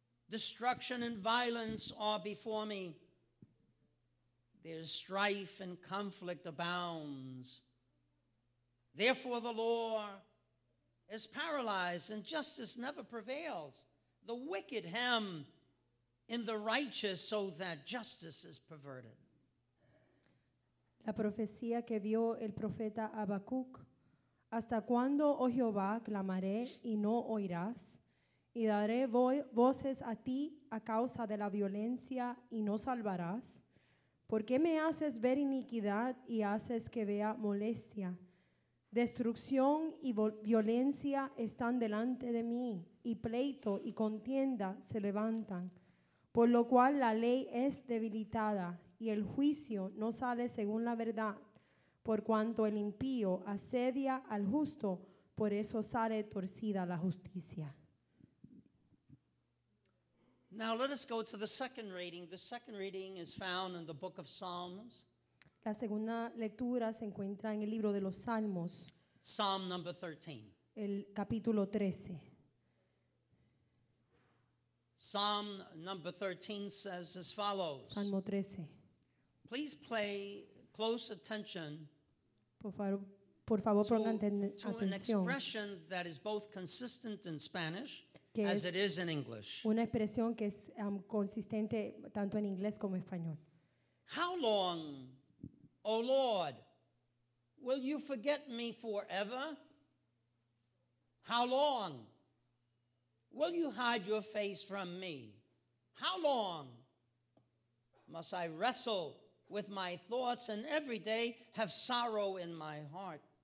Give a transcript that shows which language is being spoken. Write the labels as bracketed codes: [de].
[en] Destruction and violence are before me. There's strife and conflict abounds. Therefore, the law is paralyzed and justice never prevails. The wicked hem in the righteous so that justice is perverted. [es] La profecía que vio el profeta Habacuc. ¿Hasta cuándo, oh Jehová, clamaré y no oirás? Y daré voces a ti a causa de la violencia y no salvarás. ¿Por qué me haces ver iniquidad y haces que vea molestia? Destrucción y violencia están delante de mí, y pleito y contienda se levantan, por lo cual la ley es debilitada, y el juicio no sale según la verdad. Por cuanto el impío asedia al justo, por eso sale torcida la justicia. [en] Now let us go to the second reading. The second reading is found in the book of Psalms. [es] La segunda lectura se encuentra en el libro de los Salmos. [en] Psalm number 13. [es] El capítulo 13. [en] Psalm number 13 says as follows. [es] Salmo 13. [en] Please pay close attention. [es] Por favor, pongan atención. [en] To an expression that is both consistent in Spanish. As it is in English. [es] Una expresión que es consistente tanto en inglés como en español. [en] How long, O Lord, will you forget me forever? How long will you hide your face from me? How long must I wrestle with my thoughts and every day have sorrow in my heart?